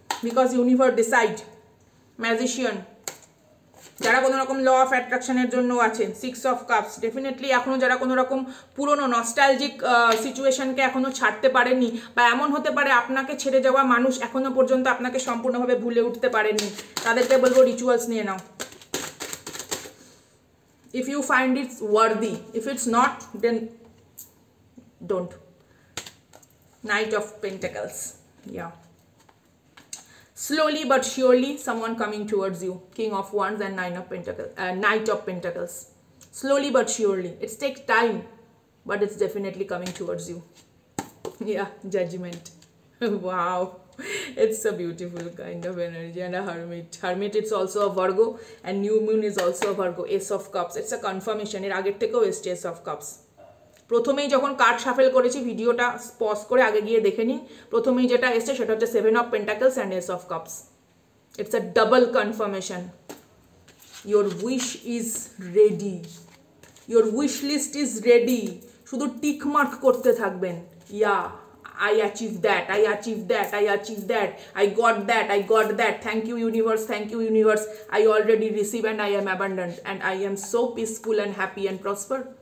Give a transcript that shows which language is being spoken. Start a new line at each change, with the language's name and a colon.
English: because universe decide,
Bangla: magician, যারা কোনো রকম ল অফ অ্যাট্রাকশনের জন্য আছে, সিক্স অফ কাপস, ডেফিনেটলি এখনও যারা কোনো রকম পুরনো নস্টালজিক সিচুয়েশনকে এখনও ছাড়তে পারেনি, বা এমন হতে পারে আপনাকে ছেড়ে যাওয়া মানুষ এখনও পর্যন্ত আপনাকে সম্পূর্ণভাবে ভুলে উঠতে পারেনি, তাদেরকে বলবো রিচুয়ালস নিয়ে নাও।
English: If you find it worthy, if it's not, then don't. Knight of Pentacles, yeah. Slowly but surely, someone coming towards you. King of Wands and Nine of Pentacles, Knight of Pentacles. Slowly but surely, it takes time, but it's definitely coming towards you. Yeah, judgment. Wow, it's a beautiful kind of energy. And a hermit, hermit, it's also a Virgo, and new moon is also a Virgo. Ace of Cups, it's a confirmation.
Bangla: এর আগের থেকেও এসছে Ace of Cups। প্রথমেই যখন card shuffle করেছি, ভিডিওটা pause করে আগে গিয়ে দেখে নিন, প্রথমেই যেটা এসছে সেটা হচ্ছে seven of pentacles and S of cups.
English: it's a double confirmation, your wish is ready, your wish list is ready,
Bangla: শুধু টিক মার্ক করতে থাকবেন।
English: Yeah, I achieved that, I achieved that, I achieved that, I got that, I got that, thank you universe, I already received and I am abundant and I am so peaceful and happy and prosper.